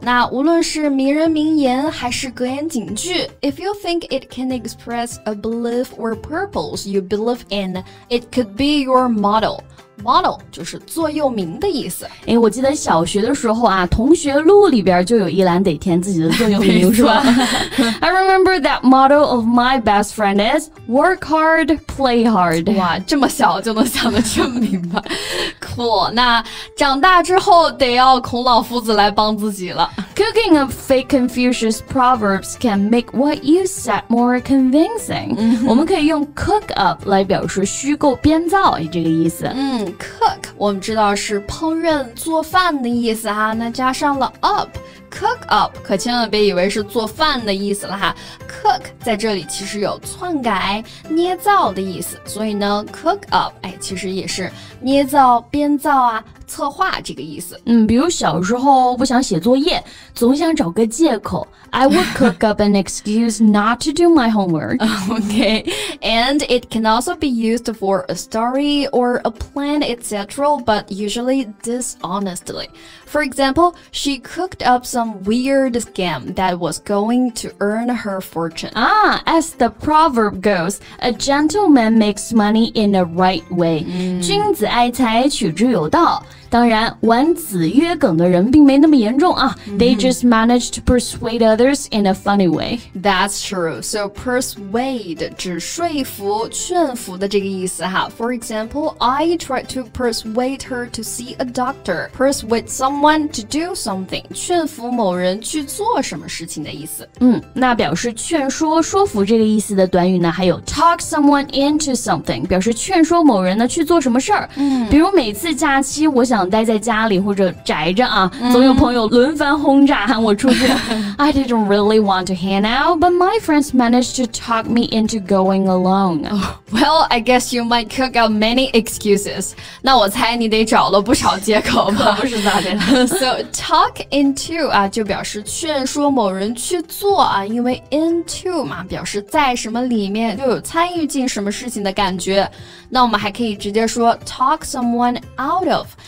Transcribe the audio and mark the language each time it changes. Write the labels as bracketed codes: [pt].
[zh] 那无论是名人名言还是格言警句 [en] ，if you think it can express a belief or purpose you believe in, it could be your motto. [zh] Model 就是座右铭的意思。哎，我记得小学的时候啊，同学录里边就有一栏得填自己的座右铭，是吧 [en] ？I remember that motto of my best friend is work hard, play hard。 [zh] 哇，这么小就能想得这么明白，cool。那长大之后得要孔老夫子来帮自己了。 [en] Cooking of fake Confucius proverbs can make what you said more convincing. [zh] 我们可以用 cook up 来表示虚构编造这个意思。 Cook 我们知道是烹饪做饭的意思哈，那加上了 up, cook up, 可千万别以为是做饭的意思了哈。 Cook 在这里其实有篡改、捏造的意思，所以呢 cook up, 哎，其实也是捏造、编造啊。策划这个意思。比如小时候不想写作业，总想找个借口。 [en] I would cook up an excuse not to do my homework. Okay, and it can also be used for a story or a plan, etc., but usually dishonestly. For example, she cooked up some weird scam that was going to earn her fortune. Ah, as the proverb goes, a gentleman makes money in the right way. [zh] 君子爱财，取之有道。当然玩子曰梗的人并没那么严重啊、 [en] They just managed to persuade others in a funny way. That's true. So persuade [zh] 指说服劝服的这个意思哈。 [en] For example, I tried to persuade her to see a doctor. Persuade someone to do something. [zh] 劝服某人去做什么事情的意思。那表示劝说说服这个意思的短语呢还有 talk someone into something, 表示劝说某人呢去做什么事儿。比如每次假期我想待在家里或者宅着啊，总有朋友轮番轰炸喊我出去。 [en] I didn't really want to hang out, but my friends managed to talk me into going alone. Well, I guess you might cook up many excuses. [zh] 那我猜你得找了不少借口吧？不是咋的。 So talk into 啊，就表示劝说某人去做啊，因为 into 嘛，表示在什么里面就有参与进什么事情的感觉。那我们还可以直接说 talk someone out of。